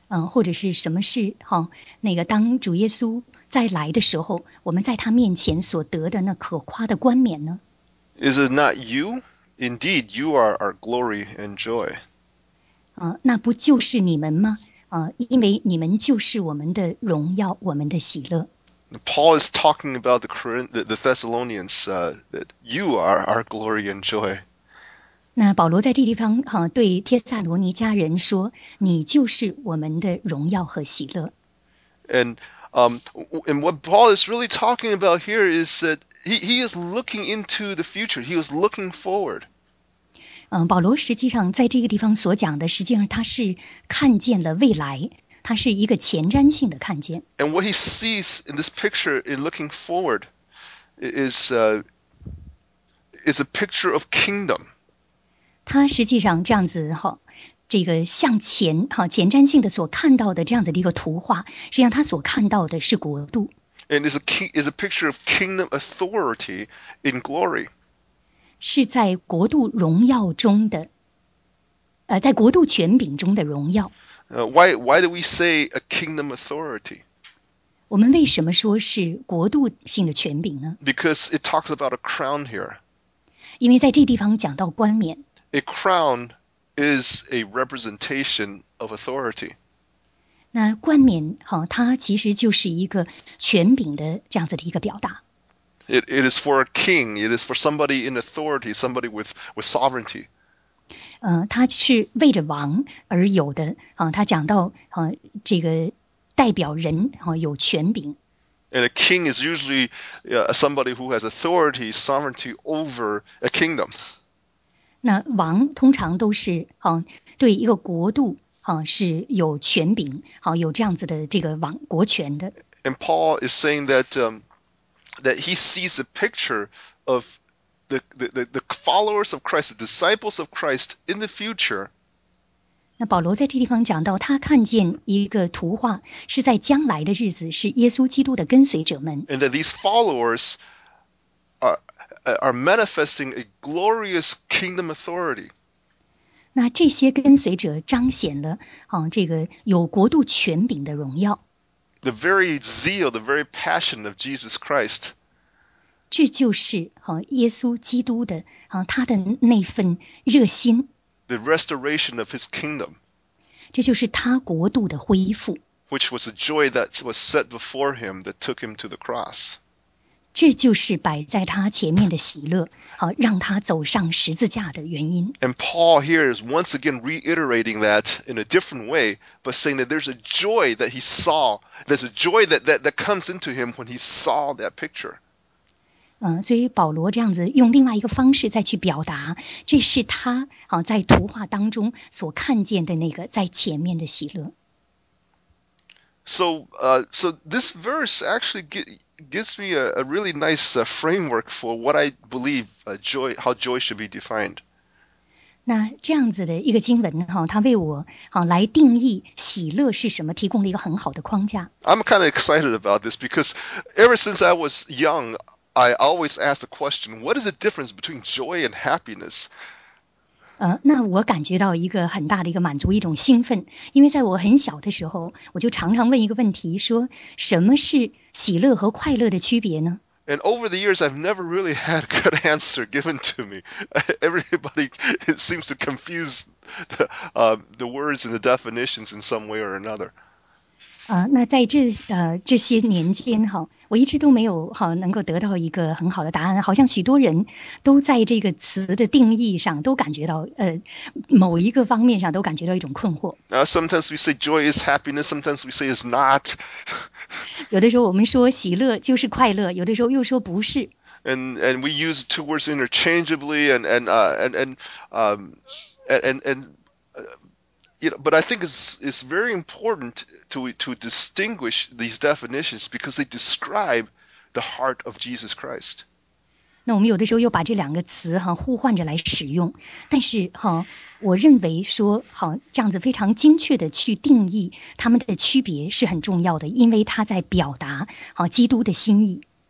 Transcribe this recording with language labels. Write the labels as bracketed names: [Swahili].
[Chinese] 或者是什么是当主耶稣再来的时候，我们在他面前所得的那可夸的冠冕呢？ [English] Is it not you? Indeed, you are our glory and joy. [Chinese] 那不就是你们吗？因为你们就是我们的荣耀，我们的喜乐。 [English] Paul is talking about the Thessalonians, that you are our glory and joy. [Chinese] 那保罗在这地方对帖撒罗尼迦人说，你就是我们的荣耀和喜乐。 [English] And what Paul is really talking about here is that he is looking into the future. He was looking forward. [Chinese] 保罗实际上在这个地方所讲的，实际上他是看见了未来。它是一个前瞻性的看见。 [English] And what he sees in this picture in looking forward is a picture of kingdom. [Chinese] 他实际上这样子这个向前前瞻性的所看到的这样子的一个图画，实际上他所看到的是国度。 [English] And is a picture of kingdom authority in glory. [Chinese] 是在国度荣耀中的在国度权柄中的荣耀。 [English] Why do we say a kingdom authority? [Chinese] 我们为什么说是国度性的权柄呢？ [English] Because it talks about a crown here. [Chinese] 因为在这地方讲到冠冕。 [English] A crown is a representation of authority. [Chinese] 那冠冕它其实就是一个权柄的这样子的一个表达。 [English] It is for a king. It is for somebody in authority, somebody with sovereignty. [Chinese] 他是为着王而有的他讲到这个代表人有权柄。 [English] And a king is usually somebody who has authority, sovereignty over a kingdom. [Chinese] 那王通常都是对一个国度是有权柄有这样子的这个王国权的。 [English] And Paul is saying that, that he sees a picture of The followers of Christ, the disciples of Christ in the future. [Chinese] 那保罗在这地方讲到，他看见一个图画，是在将来的日子，是耶稣基督的跟随者们。 [English] And that these followers are manifesting a glorious kingdom authority. [Chinese] 那这些跟随者彰显了这个有国度权柄的荣耀。 [English] The very zeal, the very passion of Jesus Christ. [Chinese] 这就是耶稣基督的他的那份热心。 [English] The restoration of his kingdom. [Chinese] 这就是他国度的恢复。 [English] Which was the joy that was set before him that took him to the cross. [Chinese] 这就是摆在他前面的喜乐让他走上十字架的原因。 [English] And Paul here is once again reiterating that in a different way, but saying that there's a joy that he saw, there's a joy that comes into him when he saw that picture. [Chinese] 所以保罗这样子用另外一个方式再去表达，这是他在图画当中所看见的那个在前面的喜乐。 [English] So this verse actually gives me a really nice framework for what I believe joy, how joy should be defined. [Chinese] 那这样子的一个经文它为我来定义喜乐是什么提供了一个很好的框架。 [English] I'm kind of excited about this because ever since I was young, I always asked the question, what is the difference between joy and happiness? [Chinese] 那我感觉到一个很大的一个满足，一种兴奋，因为在我很小的时候，我就常常问一个问题，说什么是喜乐和快乐的区别呢？ [English] And over the years, I've never really had a good answer given to me. Everybody seems to confuse the words and the definitions in some way or another. [Chinese] 那在这些年间我一直都没有能够得到一个很好的答案，好像许多人都在这个词的定义上都感觉到某一个方面上都感觉到一种困惑。 [English] Sometimes we say joy is happiness, sometimes we say it's not. [Chinese] 有的时候我们说喜乐就是快乐，有的时候又说不是。 [English] And we use two words interchangeably, but I think it's very important to distinguish these definitions because they describe the heart of Jesus Christ. [Chinese] 那我们有的时候又把这两个词互换着来使用，但是我认为说这样子非常精确的去定义他们的区别是很重要的，因为他在表达基督的心意。